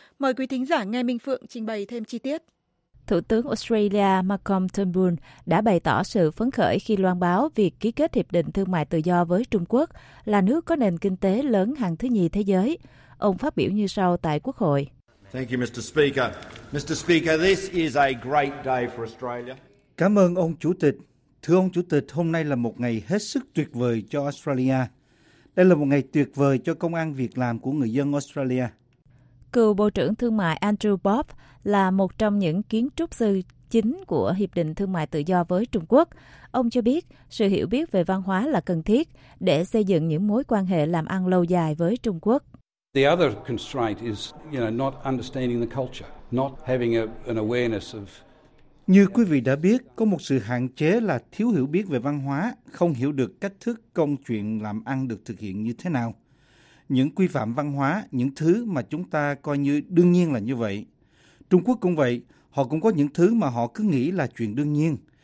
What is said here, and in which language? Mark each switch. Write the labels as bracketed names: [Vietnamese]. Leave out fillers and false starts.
[Vietnamese] Mời quý thính giả nghe Minh Phượng trình bày thêm chi tiết. Thủ tướng Australia Malcolm Turnbull đã bày tỏ sự phấn khởi khi loan báo việc ký kết Hiệp định Thương mại Tự do với Trung Quốc là nước có nền kinh tế lớn hàng thứ nhì thế giới. Ông phát biểu như sau tại Quốc hội. [English] Thank you, Mr. Speaker. Mr. Speaker, this is a great day for Australia. [Vietnamese] Cảm ơn ông Chủ tịch. Thưa ông Chủ tịch, hôm nay là một ngày hết sức tuyệt vời cho Australia. Đây là một ngày tuyệt vời cho công ăn việc làm của người dân Australia. Cựu Bộ trưởng Thương mại Andrew Bob là một trong những kiến trúc sư chính của Hiệp định Thương mại Tự do với Trung Quốc. Ông cho biết sự hiểu biết về văn hóa là cần thiết để xây dựng những mối quan hệ làm ăn lâu dài với Trung Quốc. [English] The other constraint is, you know, not understanding the culture, not having an awareness of [Vietnamese] Như quý vị đã biết, có một sự hạn chế là thiếu hiểu biết về văn hóa, không hiểu được cách thức công chuyện làm ăn được thực hiện như thế nào. Những quy phạm văn hóa, những thứ mà chúng ta coi như đương nhiên là như vậy. Trung Quốc cũng vậy, họ cũng có những thứ mà họ cứ nghĩ là chuyện đương nhiên.